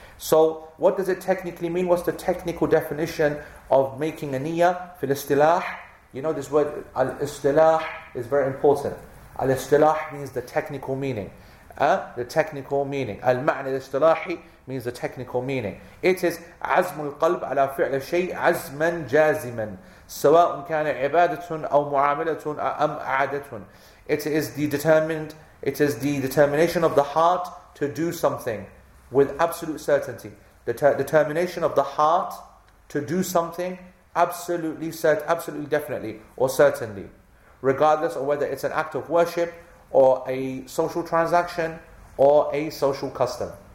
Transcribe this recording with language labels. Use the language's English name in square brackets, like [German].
[English] So, what does it technically mean? What's the technical definition of making a niyyah? Fil istilah, you know this word, al-istilah is very important. Al-istilah means the technical meaning. The technical meaning. Al-ma'na al-istilahi means the technical meaning. It is [Arabic] عزم القلب على فعل شيء عزما جازما سواء كان عبادة أو معاملة أم عادة. [English] It is the determination of the heart to do something with absolute certainty. The determination of the heart to do something absolutely definitely or certainly, regardless of whether it's an act of worship or a social transaction or a social custom.